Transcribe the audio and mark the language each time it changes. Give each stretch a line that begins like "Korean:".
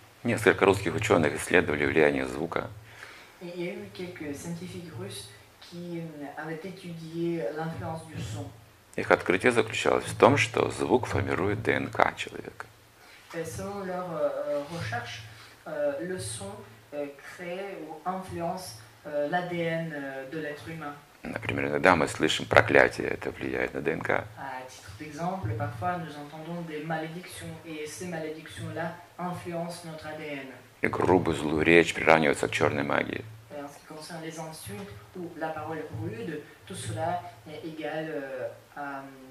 Russian: Несколько русских ученых исследовали влияние звука.
French: Il y a eu quelques scientifiques russes qui avaient étudié l'influence du son.
Russian: Их открытие заключалось в том, что звук формирует ДНК человека.
French: Et selon leur recherche, le son crée ou influence l'ADN de l'être humain.
Russian: Например, иногда мы слышим проклятие, это влияет на ДНК.
French: À titre d'exemple, parfois nous entendons des malédictions et ces malédictions-là influencent notre ADN.
Russian: И грубую злую речь приравнивается к черной магии.
French: En ce qui concerne les insultes ou la parole rude, tout cela est égal à